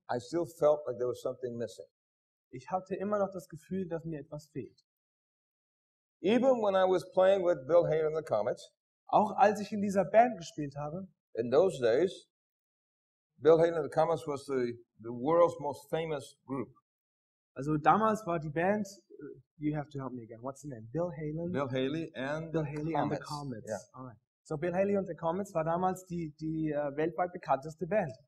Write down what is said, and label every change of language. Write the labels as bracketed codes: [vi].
[en] I still felt like there was something missing. [de] Ich hatte immer noch das Gefühl, dass mir etwas fehlt. [en] Even when I was playing with Bill Hader and the Comets, [de] auch als ich in dieser Band gespielt habe, [en] in those days, Bill Hader and the Comets was the world's most famous group. [de] Also damals war die Band, [en] you have to help me again, what's the name? Bill Haley and the Comets. Yeah. All right. So [de] Bill Haley and the Comets war damals die weltweit bekannteste Band.